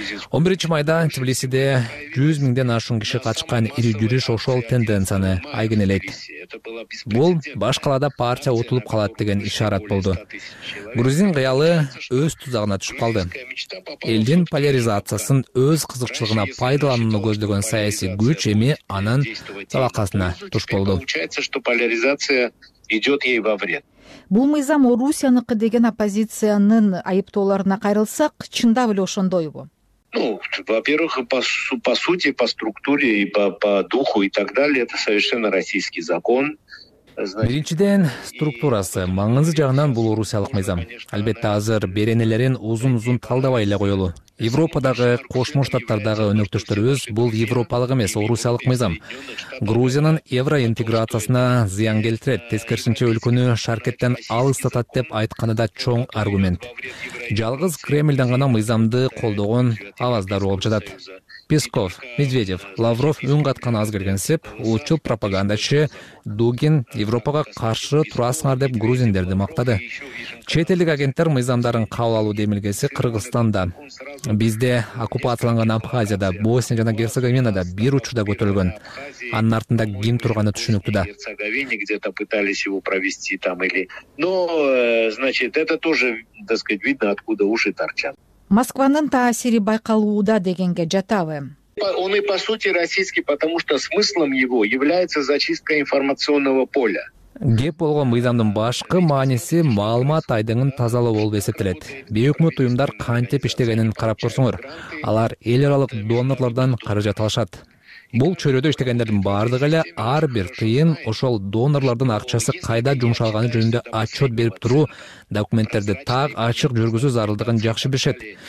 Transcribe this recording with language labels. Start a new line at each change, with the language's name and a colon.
Kyrgyz: 11 майда Тбилисиде 100 000 ашуун киши катышкан ири жүрүш ошол тенденцияны айгинелейт. Бул баш калада партия утулуп калат деген ишарат болду. Грузин кыялы өз тузагына түшүп калды. Элдин поляризациясын өз кызыкчылыгына пайдаланууну көздөгөн саясий күч эми анын талакасына туш болду.
Russian: Поляризация идет ей во вред.
Kyrgyz: Бул мыйзам Орусиянык деген оппозициянын айыптоолоруна кайрылсак, чындап эле ошондойбу?
Russian: Ну, во-первых, по сути, по структуре и по духу и так далее, это совершенно российский закон.
Kyrgyz: Биринчиден, структурасы, маңызы жагынан бул орусиялык мыйзам. Албетте, азыр беренелерин узун-узун талдабай эле коелу. Европадагы, Кошмо Штаттардагы өнөктөштөрүбүз бул европалык эмес, орусиялык мыйзам. Грузиянын евроинтеграциясына зыян келтирет, тескерисинче өлкөнү шаркеттен алыстатат деп айтканы да чоң аргумент. Жалгыз Кремлден гана мыйзамды колдогон аваздар болуп жатат. Песков, Медведев, Лавров үн каткан аз келгенсип, учул пропагандачы Дугин Европага каршы турасыңар деп грузиндерди мактады. Чет элдик агенттер мыйзамдарын кабыл алуу демилгеси Кыргызстанда. Бизде оккупацияланган Абхазияда, Босния жана Герцеговинада бир учурда көтөрүлгөн. Анын артында ким турганы түшүнүктүү да.
Russian: Где-то пытались его провести там или. Но, значит, это тоже, так сказать, видно, откуда уши торчат.
Kyrgyz: Москванын таасири байкалууда дегенге жатабы?
Russian: Он и по сути российский, потому что смыслом его является зачистка информационного поля.
Kyrgyz: Кеп болгон мыйзамдын башкы мааниси маалымат айдыгын тазалоо болуп эсептелет. Бейөкмөт уюмдар кантип иштегенин карап көрсөңөр, алар эл аралык донорлордон каражат алышат. Бул чөйрөдө иштегендердин баардыгы эле ар бир тыйын ошол донорлордун акчасы кайда жумшалганы жөнүндө отчет берип туруу документтерди так ачык жүргүзүү зарылдыгын жакшы билишет.